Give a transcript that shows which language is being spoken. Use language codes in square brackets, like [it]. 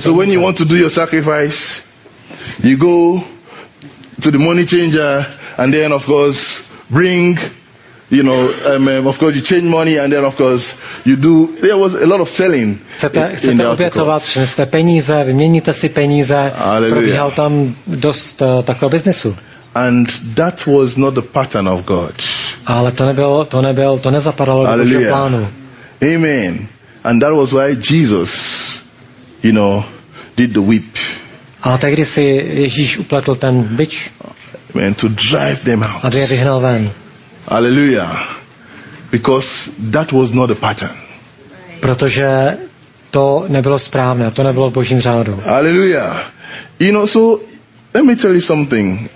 [en] So when you want to do your sacrifice, you go to the money changer and then of course bring, you know, of course you change money and then of course you do, there was a lot of selling. [cs] Chcete obětovat, přineste peníze, vyměníte si peníze. [en] Hallelujah. [cs] Probíhal tam dost takového biznesu. [en] And that was not the pattern of God. [cs] Ale to nezapadalo do Božího plánu. [en] Amen. And that was why Jesus, you know, did the whip. [cs] A tehdy si Ježíš upletl ten bič. [en] Amen. To drive them out. [cs] Aby je vyhnal ven. [en] Hallelujah. Because that was not the pattern. [cs] Protože to nebylo správné, to nebylo v Božím řádu. [en] Hallelujah. You know, so let me tell you something.